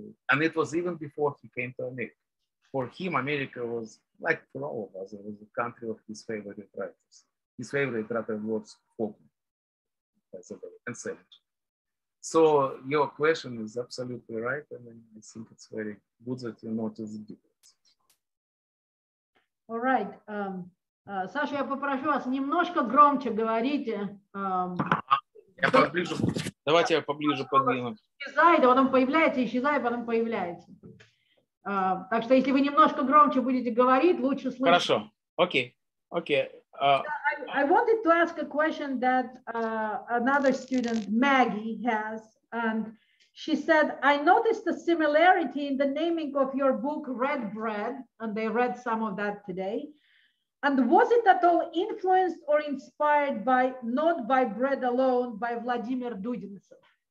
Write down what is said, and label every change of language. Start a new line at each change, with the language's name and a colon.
English: And it was even before he came to America. For him, America was, like for all of us, it was the country of his favorite writers. His favorite writer was Faulkner. And so your question is absolutely right, and I think it's very good that you notice the difference. All right,
Russian: Саша, я попрошу вас немножко громче говорить. Я поближе. Давайте я поближе подвину. Исчезает, а потом появляется, исчезает, а потом появляется. Так что если вы немножко громче будете говорить, лучше слышать. Хорошо. Окей. Окей.
English: I wanted to ask a question that another student, Maggie, has, and she said, I noticed a similarity in the naming of your book, Red Bread, and they read some of that today, and was it at all influenced or inspired by, not by bread alone, by Vladimir Dudinsov?